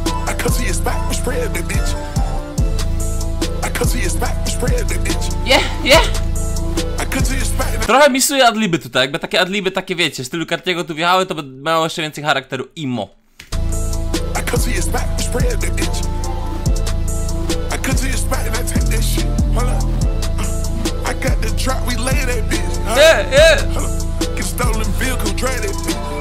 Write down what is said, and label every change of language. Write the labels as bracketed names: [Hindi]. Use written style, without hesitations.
[English] I come to your spot, we spray the bitch. I come to your spot, we spray the bitch. Yeah, yeah. [Polish] Trochę misuję adliby tutaj, jakby takie adliby, takie wiecie, stylu Cartiego tu wjechały, to by miało jeszcze więcej charakteru emo. [English] I come to your spot, we spray the bitch. I come to your spot and I take that shit. Hold up. I got the drop, we lay that bitch. Huh? Yeah, yeah. Hold up. Get stolen vehicle, drag that bitch.